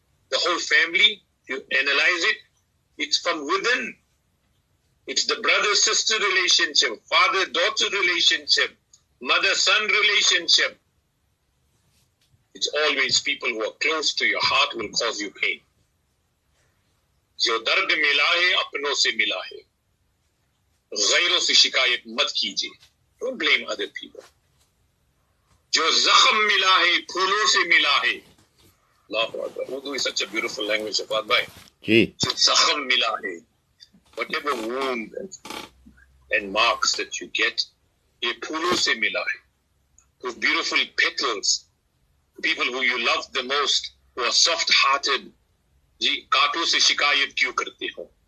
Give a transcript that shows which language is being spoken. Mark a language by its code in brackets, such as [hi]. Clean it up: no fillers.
[en] The whole family, you analyze it, it's from within. It's the brother-sister relationship, father-daughter relationship, mother-son relationship. It's always people who are close to your heart will cause you pain. [ur] جو درد ملا ہے اپنوں سے ملا ہے غیروں سے شکایت مت کیجئے. [en] Don't blame other people. [ur] جو زخم ملا ہے پھولوں سے ملا ہے. [ar] اللہ اکبر. [en] Urdu is such a beautiful language. [ur] شفاعت بھائی جی. جو زخم ملا ہے, [en] whatever wound and marks that you get, [ur] یہ پھولوں سے ملا ہے. [en] Those beautiful petals, people who you love the most, who are soft-hearted, [ur] ji kaato se shikayat kyun karte ho?